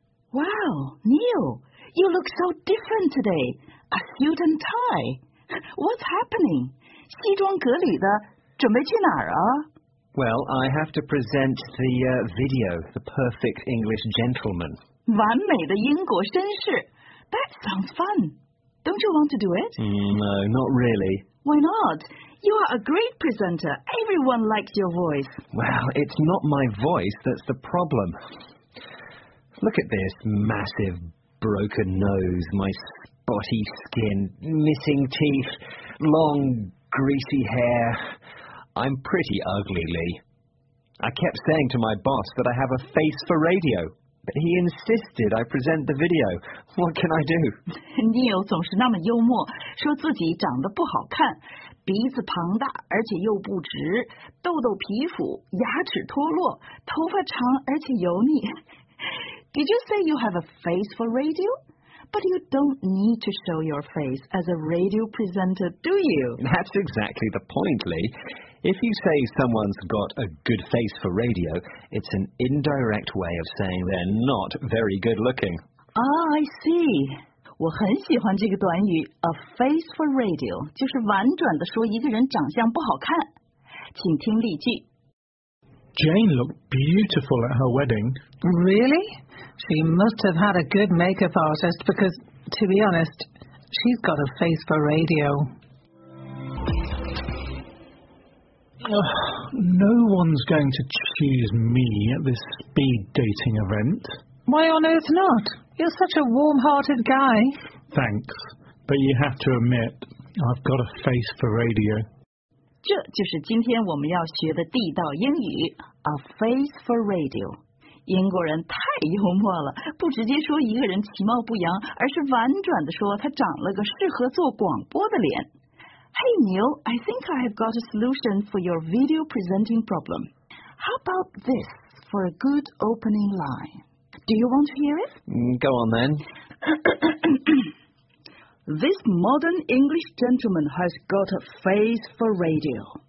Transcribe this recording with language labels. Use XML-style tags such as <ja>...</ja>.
<en>Wow, Neil, you look so different today. A suit and tie. What's happening?</en> <zh>西装革履的，准备去哪儿啊？</zh> <en>Well, I have to present the video, The Perfect English Gentleman.</en> <zh>完美的英国绅士。</zh> <en>That sounds fun. Don't you want to do it? No, not really. Why not? You are a great presenter. Everyone likes your voice. Well, it's not my voice that's the problem. Look at this massive broken nose, my spotty skin, missing teeth, long greasy hair... I'm pretty ugly, Lee. I kept saying to my boss that I have a face for radio, but he insisted I present the video. What can I do?</en> <zh>Neil 总是那么幽默，说自己长得不好看，鼻子庞大而且又不直，痘痘皮肤，牙齿脱落，头发长而且油腻。</zh> <en>Did you say you have a face for radio? But you don't need to show your face as a radio presenter, do you? That's exactly the point, Lee. If you say someone's got a good face for radio, it's an indirect way of saying they're not very good looking. Ah, I see.</en> <zh>我很喜欢这个短语</zh> <en>a face for radio,</en> <zh>就是婉转地说一个人长相不好看。请听例句。</zh> <en>Jane looked beautiful at her wedding. Really? She must have had a good makeup artist because, to be honest, she's got a face for radio. No one's going to choose me at this speed dating event. Why on earth not? You're such a warm-hearted guy. Thanks, but you have to admit, I've got a face for radio.</en> <zh>这就是今天我们要学的地道英语</zh> <en>A face for radio.</en> <zh>英国人太幽默了，不直接说一个人其貌不扬，而是婉转地说他长了个适合做广播的脸。</zh> <en>Hey, Neil, I think I have got a solution for your video presenting problem. How about this for a good opening line? Do you want to hear it? Go on, then. This modern English gentleman has got a face for radio.</en>